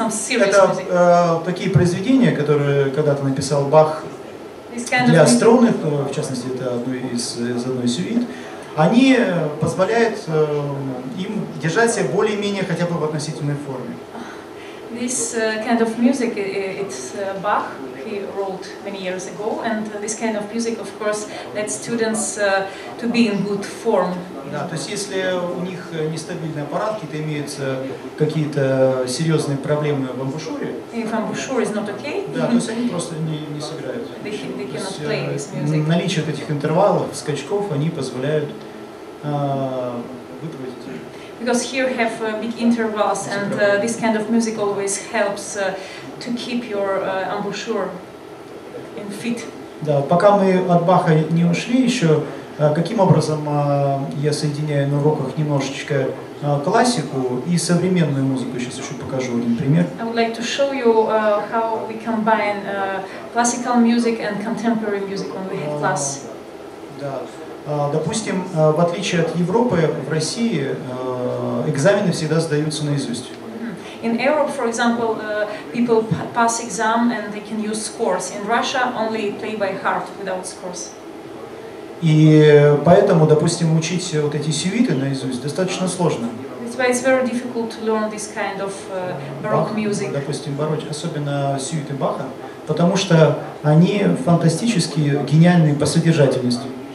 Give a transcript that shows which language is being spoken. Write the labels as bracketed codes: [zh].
[ru] Это такие произведения, которые когда-то написал Бах для струнных, в частности, это одной из сюит, они позволяют им держать себя более-менее хотя бы в относительной форме. [en] This kind of music, it's Bach, he wrote many years ago, and this kind of music, of course, lets students to be in good form. [ru] Да, то есть если у них нестабильный аппарат, какие-то имеются какие-то серьезные проблемы в амбушюре, [en] if amboucheur is not okay, [ru] да, то есть они просто не сыграют. [en] They cannot play this music. [ru] Наличие этих интервалов, скачков, они позволяют выпроводить. [en] Because here have big intervals, and this kind of music always helps to keep your embouchure in fit. [ru] Да, пока мы от Баха не ушли еще, каким образом я соединяю на уроках немножечко классику и современную музыку? Сейчас еще покажу один пример. [en] I would like to show you how we combine classical music and contemporary music when we have class. [ru] Да. Допустим, в отличие от Европы, в России экзамены всегда сдаются наизусть. [en] In Europe, for example, people pass exam and they can use scores. In Russia, only play by heart without scores. [ru] И поэтому, допустим, учить вот эти сюиты наизусть достаточно сложно. [en] That's why it's very difficult to learn this kind of baroque music. [ru] Допустим, бароч, особенно сюиты Баха, потому что они фантастически гениальны по содержательности.